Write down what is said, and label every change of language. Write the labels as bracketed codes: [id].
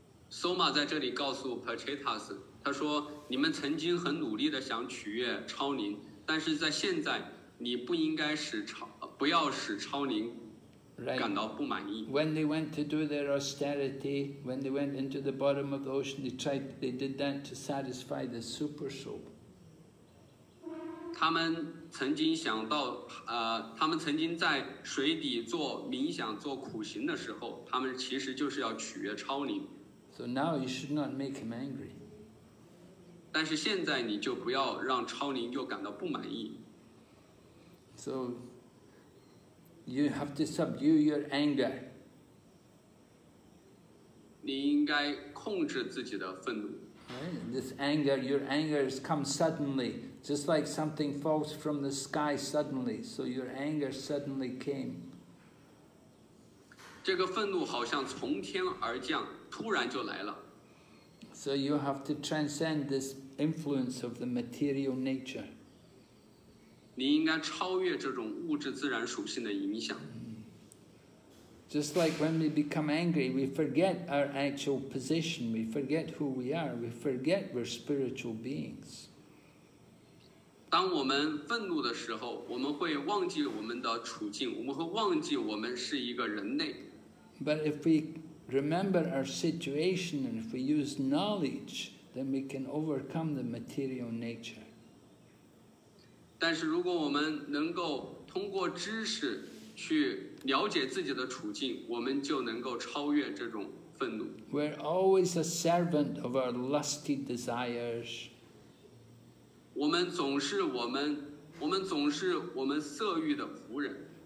[zh] Soma 在这里告诉 Pratetas, 他说你们曾经很努力地想取悦超灵，但是在现在你不要使超灵感到不满意。 [en] Right. When they went to do their austerity, when they went into the bottom of the ocean, they did that to satisfy the super soul. [zh] 他们曾经想到他们曾经在水底做冥想做苦行的时候，他们其实就是要取悦超灵。 [en] So now you should not make him angry. [zh] 但是现在你就不要让超灵又感到不满意。 [en] So you have to subdue your anger. [zh] 你应该控制自己的愤怒。 [en] Right? This anger, your anger has come suddenly. Just like something falls from the sky suddenly, so your anger suddenly came. [zh] 这个愤怒好像从天而降，突然就来了。 [en] So you have to transcend this influence of the material nature. [zh] 你应该超越这种物质自然属性的影响。 [en] Just like when we become angry, we forget our actual position, we forget who we are, we forget we're spiritual beings. [zh] 当我们愤怒的时候，我们会忘记我们的处境，我们会忘记我们是一个人类。 [en] But if we remember our situation and if we use knowledge, then we can overcome the material nature. [zh] 但是如果我们能够通过知识去了解自己的处境，我们就能够超越这种愤怒。 [en] We're always a servant of our lusty desires. [zh] 我们总是我们色欲的仆人。